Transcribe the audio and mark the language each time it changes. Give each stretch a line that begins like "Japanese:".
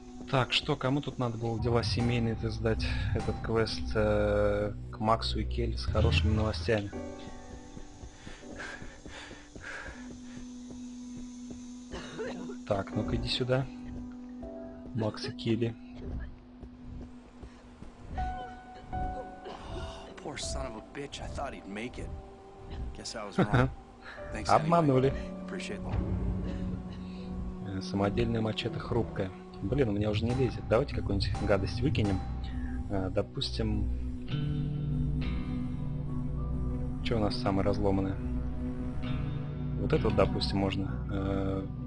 Russian: Так, что, кому тут надо было дела семейные-то сдать этот квест к Максу и Келли с хорошими новостями? Так, ну-ка иди сюда, Макс и Келли.
English: Poor son of a bitch, I thought he'd make it. Guess I was wrong. Thanks,
Russian: обманули. Самодельная мачете хрупкая. Блин, у меня уже не лезет. Давайте какую-нибудь гадость выкинем. Допустим... Что у нас самое разломанное? Вот это вот, допустим, можно.